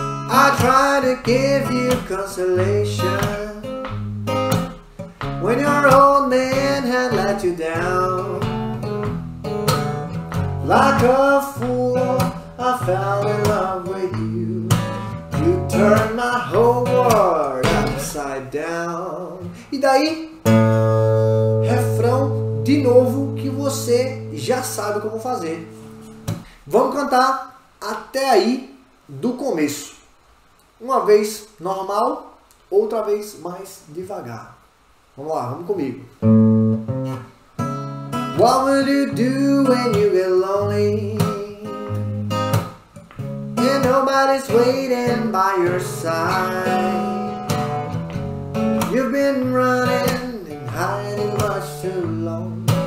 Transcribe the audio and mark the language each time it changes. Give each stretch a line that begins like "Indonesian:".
English: I try to give you consolation when your old man had let you down. Like a fool, I fell in love with you. You turn my whole world upside down.
Portuguese: E daí, refrão de novo que você já sabe como fazer. Vamos cantar até aí do começo. Uma vez normal, outra vez mais devagar. Vamos lá, vamos comigo.
English: What would you do when you get lonely? And nobody's waiting by your side? You've been running and hiding much too long.